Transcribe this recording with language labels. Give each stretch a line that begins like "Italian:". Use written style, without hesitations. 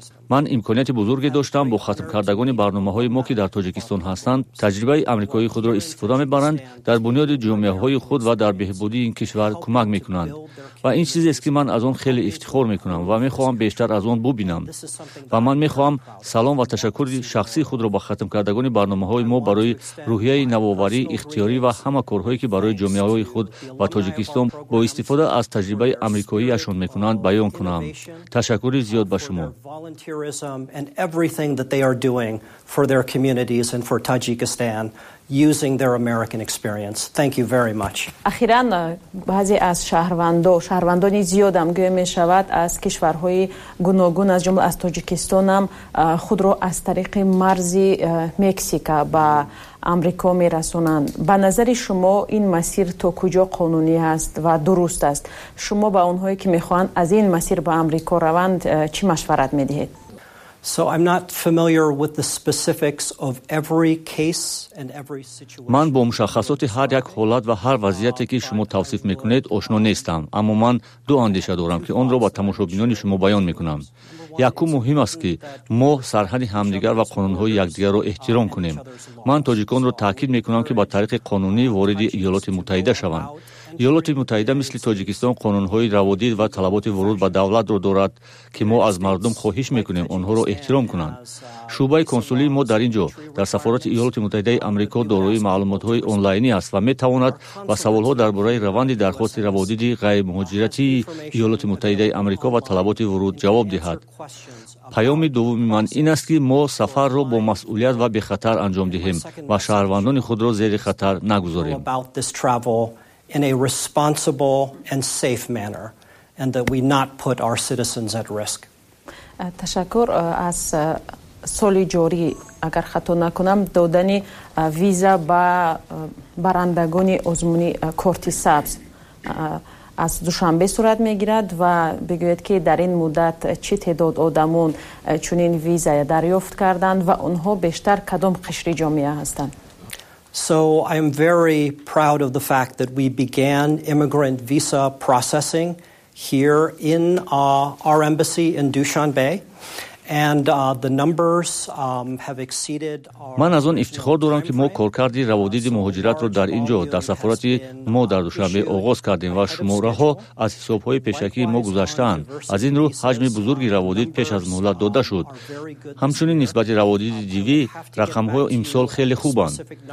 Persian: من امکانیت بزرگی داشتم با ختم کردگان برنامه های ما که در تاجیکستان هستند تجربه امریکایی خود را استفاده میبرند، در بنیاد جامعه های خود و در بهبودی این کشور کمک میکنند و این چیزی است که من از آن خیلی افتخار میکنم و میخواهم بیشتر از آن ببینم و من میخواهم سلام و تشکر شخصی خود را به ختم کردگان برنامه های ما برای روحیه نوآوری اختیاری و همه کارهایی که برای جامعه های خود و تاجیکستان با استفاده از تجربه امریکایی اشون میکنند بیان کنم. تشکر زیاد به شما.
English: And everything that they are doing for their communities and for Tajikistan using their American experience. Thank you very much.
Persian: اخیراً بعضی از شهروندان زیاد هم گویا میشود از کشورهای گوناگون از جمله از تاجیکستان هم خود را از طریق مرز مکزیکا با امریکا میرسونند. به نظر شما این مسیر تا کجا قانونی است و درست است؟ شما به اونهایی که میخوان از این مسیر به امریکا روند چی مشورت میدهید؟
English: So I'm not familiar with the specifics of every case and every situation.
Persian: من با مشخصات هر یک حالت و هر وضعیتی که شما توصیف میکنید آشنا نیستم، اما من دو اندیشه دارم که اون را با تماشابینان شما بیان میکنم. یکو مهم است که ما سرحد همدیگر و قانونهای یکدیگر را احترام کنیم. من تاجیکان را تاکید میکنم که با طریق قانونی وارد ایالات متحده شوند. ایالات متحده مثل تاجیکستان قانونهای روادی و طلبات ورود به دولت را دارد که ما از مردم خواهش میکنیم آنها را احترام کنند. شعبه کنسولی ما در اینجا در سفارت ایالات متحده آمریکا دارای معلوماتهای آنلاینی است و میتواند و سوالها درباره روند درخواست روادی غیر مهاجرتی ایالات متحده آمریکا و طلبات ورود جواب دهد. پیام دوم من این است که ما سفر را با مسئولیت و به خطر انجام دهیم و شهروندان خود را زیر خطر نگذاریم.
English: In a responsible and safe manner, and that we not put our citizens at risk.
Persian: تشکر از سال جاری اگر خطا نکنم دادن ویزا به برندگان آزمونی کارت سبز از دوشنبه صورت میگیرد و بگوید که در این مدت چه تعداد آدمون چنین ویزا دریافت کردند و اونها بیشتر کدام قشر جامعه هستند.
English: So I am very proud of the fact that we began immigrant visa processing here in our embassy in Dushanbe. And the numbers have exceeded our
Persian: من از اون افتخار دارم که ما کارکردی روادید مهاجرت رو در اینجا در سفارت ما در دوشنبه آغاز کردیم و شماره ها از حساب های پیشکی ما گذشتن. از این رو حجم بزرگی روادید پیش از مهلت داده شد. همچنین نسبت روادید دیوی رقم های امسال خیلی خوبند.